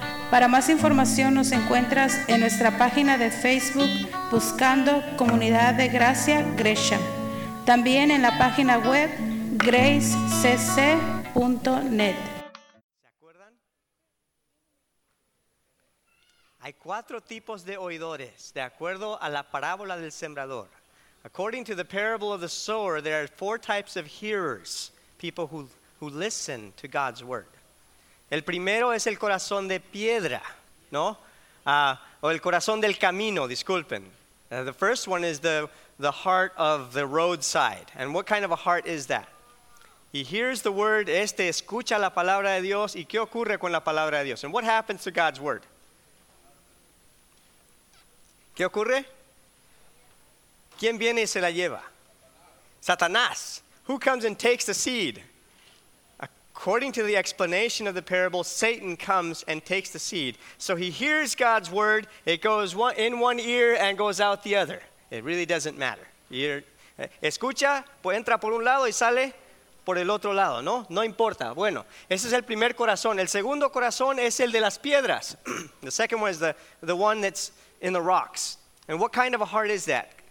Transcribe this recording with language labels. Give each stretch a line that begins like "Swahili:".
Spanish: Para más información nos encuentras en nuestra página de Facebook buscando Comunidad de Gracia Gresham. También en la página web gracecc.net. ¿Se acuerdan? Hay cuatro tipos de oidores de acuerdo a la parábola del sembrador.
English: According to the parable of the sower, there are four types of hearers, people who listen to God's word.
Spanish: El primero es el corazón de piedra, ¿no? O el corazón del camino, disculpen.
English: The first one is the heart of the roadside. And what kind of a heart is that? He hears the word,
Spanish: este escucha la palabra de Dios, ¿y qué ocurre con la palabra de Dios?
English: And what happens to God's word?
Spanish: ¿Qué ocurre? ¿Quién viene y se la lleva? Satanás.
English: Who comes and takes the seed? According to the explanation of the parable, Satan comes and takes the seed. So he hears God's word. It goes in one ear and goes out the other. It really doesn't matter.
Spanish: Escucha, pues entra por un lado y sale por el otro lado, ¿no? No importa. Bueno, ese es el primer corazón. El segundo corazón es el de las piedras.
English: The second one is the one that's in the rocks. And what kind of a heart is that?